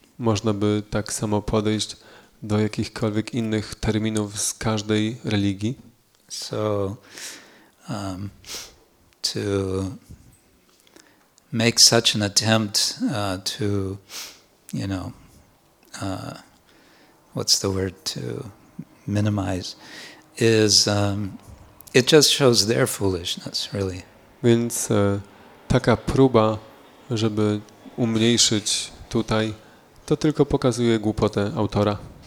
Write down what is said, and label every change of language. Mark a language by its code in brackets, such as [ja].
[pl] Można by tak samo podejść do jakichkolwiek innych terminów z każdej religii. [en] So to make such an attempt to, you know, what's the word to minimize, is it just shows their foolishness, really. [pl] Więc taka próba, żeby umniejszyć tutaj, to tylko pokazuje głupotę autora.